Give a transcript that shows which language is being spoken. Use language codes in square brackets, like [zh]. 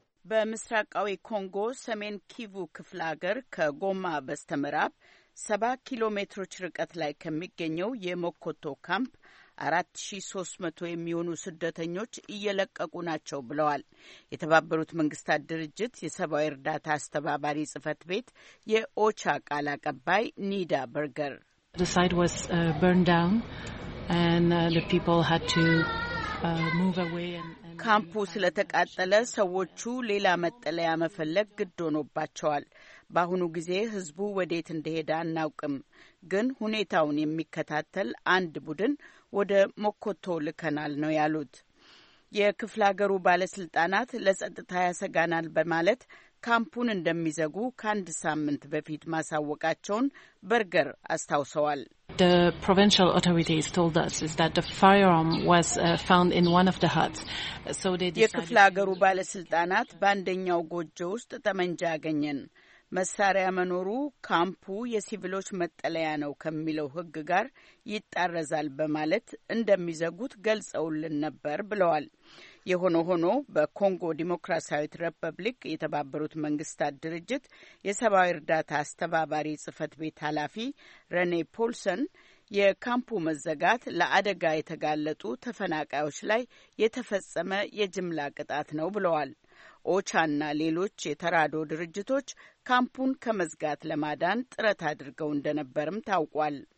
[am] በምስራቃዊ ኮንጎ ሰሜን ኪቩ ክፍለ ሀገር ከጎማ በስተምዕራብ 7 ኪሎ ሜትሮች ርቀት ላይ ከሚገኘው የሞኮቶ ካምፕ 4300 የሚሆኑ ስደተኞች እየለቀቁ ናቸው ብለዋል። የተባበሩት መንግስታት ድርጅት የሰብአዊ እርዳታ አስተባባሪ ጽህፈት ቤት የኦቻ ቃል አቀባይ ኒዳ በርገር [en] The site was burned down and the people had to move away and [am] ካምፑ ስለተቃጠለ ሰዎች ሌላ መጠለያ መፈለግ ግድ ሆኖባቸዋል። በአሁኑ ጊዜ ህዝቡ ወዴት እንደሄደ አናውቅም። ግን ሁኔታውን የሚከታተል አንድ ቡድን ወደ ሞኮቶ ልከናል ነው ያሉት። የክፍለ ሀገሩ ባለስልጣናት ለጸጥታ ያሰጋናል በማለት ካምፑን እንደሚዘጉ ከአንድ ሳምንት በፊት ማሳወቃቸውን በርገር አስታውሰዋል። [en] The provincial authorities told us is that the firearm was found in one of the huts. So they decided [am] የክፍለ ሀገሩ ባለስልጣናት በአንደኛው ጎጆ ውስጥ ጠመንጃ አገኘን፣ መሳሪያ መኖሩ ካምፑ የሲቪሎች መጠለያ ነው ከሚለው ህግ ጋር ይጣረዛል በማለት እንደሚዘጉት ገልጸውልን ነበር ብለዋል። የሆነ ሆኖ በኮንጎ ዲሞክራሲያዊት ሪፐብሊክ የተባበሩት መንግስታት ድርጅት የሰብአዊ እርዳታ አስተባባሪ ጽህፈት ቤት ኃላፊ ረኔ ፖልሰን የካምፑ መዘጋት ለአደጋ የተጋለጡ ተፈናቃዮች ላይ የተፈጸመ የጅምላ ቅጣት ነው ብለዋል። ኦቻና ሌሎች የተራዶ ድርጅቶች ካምፑን ከመዝጋት ለማዳን ጥረት አድርገው እንደነበርም ታውቋል።